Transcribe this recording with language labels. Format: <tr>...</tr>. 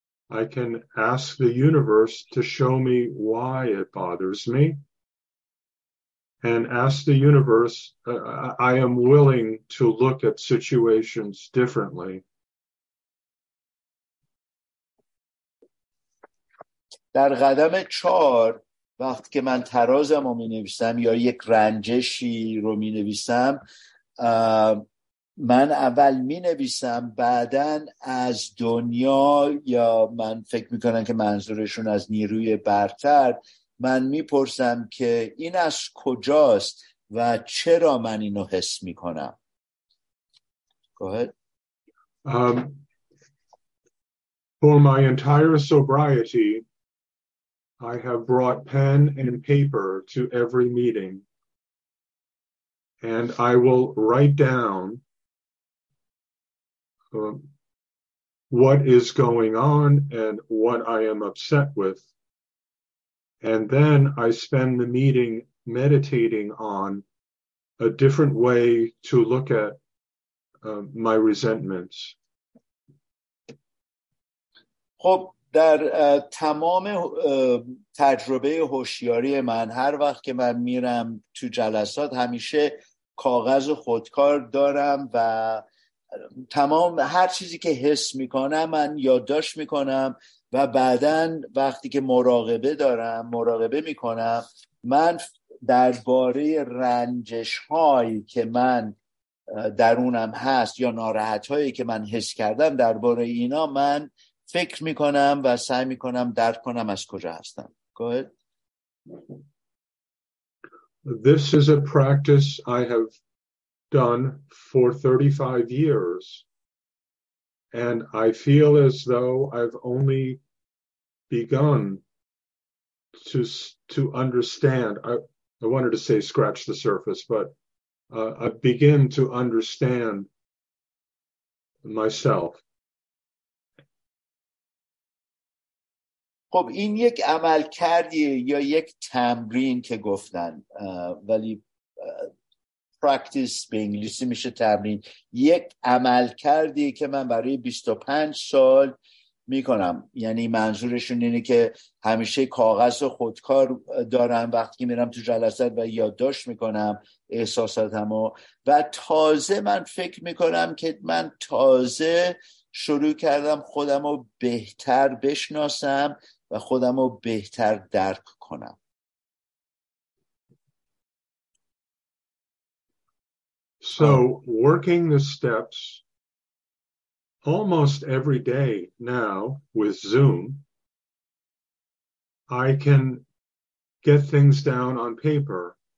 <en>I can ask the universe to show me why it bothers me. And ask the universe, I am willing to look at situations differently.</en> <fa>در قدم 4، وقتی که من ترازم رو می نویسم یا یک رنجشی رو می نویسم، من اول می نویسم، بعدن از دنیا، یا من فکر می کنم که منظورشون از نیروی برتر، من می پرسم که این از کجاست و چرا من اینو حس می کنم.</fa> <en>Go ahead. For my entire sobriety, I have brought pen and paper to every meeting, and I will write down what is going on and what I am upset with. And then I spend the meeting meditating on a different way to look at my resentments.</en> <fa>خب در تمام تجربه هوشیاری من هر وقت که من میرم تو جلسات همیشه کاغذ خودکار دارم و تمام هر چیزی که حس میکنم من یادداشت میکنم و بعدن وقتی که مراقبه دارم مراقبه میکنم من درباره رنجش هایی که من درونم هست یا ناراحت هایی که من حس کردم درباره اینا من فکر میکنم و سعی میکنم درک کنم از کجا هستم.</fa> <en>Go ahead. This is a practice I have done for 35 years and I feel as though I've only begun to understand. I wanted to say scratch the surface, but I begin to understand myself.</en> <fa>خب این یک عمل کردیه یا یک تمرین که گفتن ولی practice به انگلیسی میشه تمرین یک عمل کردیه که من برای 25 سال میکنم یعنی منظورشون اینه که همیشه کاغذ خودکار دارم وقتی میرم تو جلسات و یادداشت میکنم احساساتمو و تازه من فکر میکنم که من تازه شروع کردم خودمو بهتر بشناسم و خودم رو بهتر درک کنم.</fa> <en>So working the steps almost every day now with Zoom, I can get things down on paper.</en>